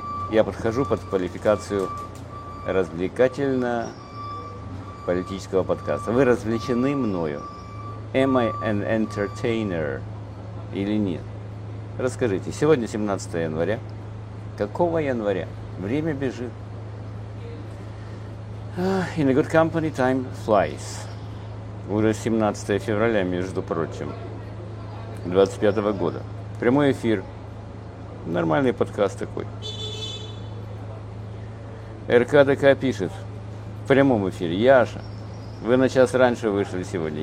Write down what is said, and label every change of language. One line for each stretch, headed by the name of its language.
Russian: Я подхожу под квалификацию развлекательно-политического подкаста. Вы развлечены мною?
English: Am I an entertainer?
Russian: Или нет? Расскажите, сегодня 17 января. Какого января? Время бежит.
English: In a good company, time flies.
Russian: Уже 17 февраля, между прочим, 25 года. Прямой эфир. Нормальный подкаст такой. РКДК пишет в прямом эфире. Яша, вы на час раньше вышли сегодня.